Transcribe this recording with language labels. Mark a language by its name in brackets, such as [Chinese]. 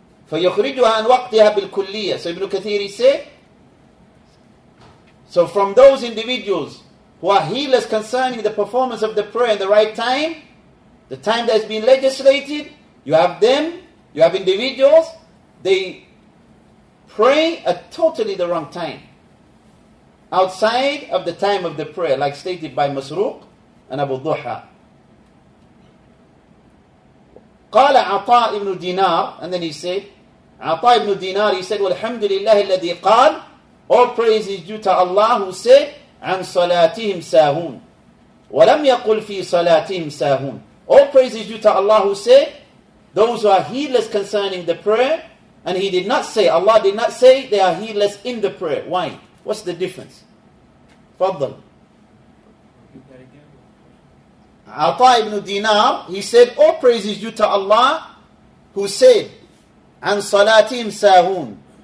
[Arabic] فَيُخْرِجُهَا عَنْ وَقْتِهَا بِالْكُلِّيَّةِ. [English] So Ibn Kathiri said, so from those individuals who are heedless concerning the performance of the prayer in the right time, the time that has been legislated, you have them, you have individuals, they pray at totally the wrong time, outside of the time of the prayer, like stated by Masruq and Abu Duha. [Arabic] قال عطاء ابن دينار, [English] and then he said, [Arabic] عطاء ابن دينار, [English] he said, [Arabic] والحمد لله الذي قال, [English] all praise is due to Allah who said, [Arabic] عن صلاتهم ساهون, ولم يقل في صلاتهم ساهون. [English] All praise is due to Allah who said, those who are heedless concerning the prayer, and he did not say, Allah did not say, they are heedless in the prayer. Why? What's the difference? Fadl. عطاء ابن دينار, he said, all praise is due to Allah who said, [Arabic] عن صلاتهم ساهون.